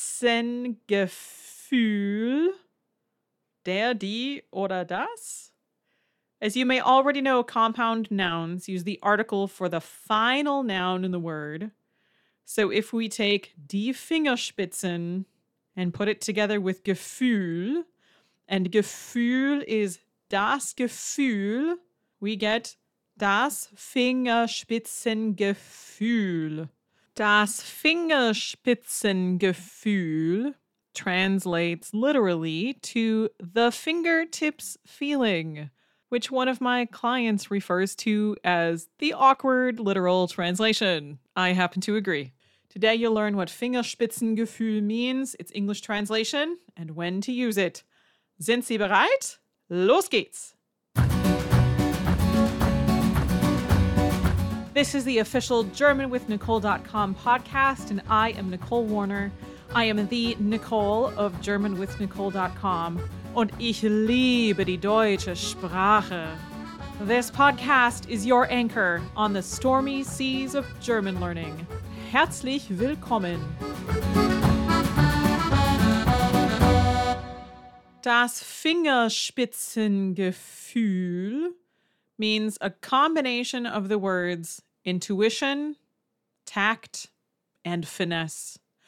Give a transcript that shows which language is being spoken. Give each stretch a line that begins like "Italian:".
German: Fingerspitzengefühl, der, die, oder das?
English: As you may already know, compound nouns use the article for the final noun in the word. So if we take die Fingerspitzen and put it together with Gefühl, and Gefühl is das Gefühl, we get das Fingerspitzengefühl. Das Fingerspitzengefühl translates literally to the fingertips feeling, which one of my clients refers to as the awkward literal translation. I happen to agree. Today you'll learn what Fingerspitzengefühl means, its English translation, and when to use it.
German: Sind Sie bereit? Los geht's!
English: This is the official GermanWithNicole.com podcast, and I am Nicole Warner. I am the Nicole of GermanWithNicole.com, und ich liebe die deutsche Sprache. This podcast is your anchor on the stormy seas of German learning.
German: Herzlich willkommen!
English: Das Fingerspitzengefühl means a combination of the words intuition, tact, and finesse.